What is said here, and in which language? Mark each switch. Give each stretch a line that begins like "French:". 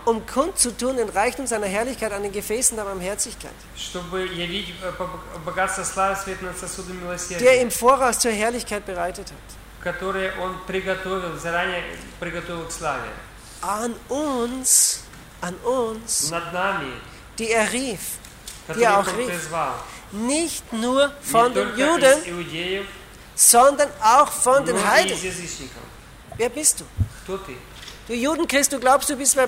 German: um kundzutun den Reichtum seiner Herrlichkeit an den Gefäßen der Barmherzigkeit,
Russian: чтобы явить богатство славы свет над сосудами милосердия,
German: der im Voraus zur Herrlichkeit bereitet hat,
Russian: которые он приготовил, заранее приготовил к славе,
German: an uns,
Russian: над нами,
German: die er rief, die er auch rief, nicht nur von den Juden, sondern auch von den Heiden. Wer bist du? Du Judenchrist, du glaubst, du bist wer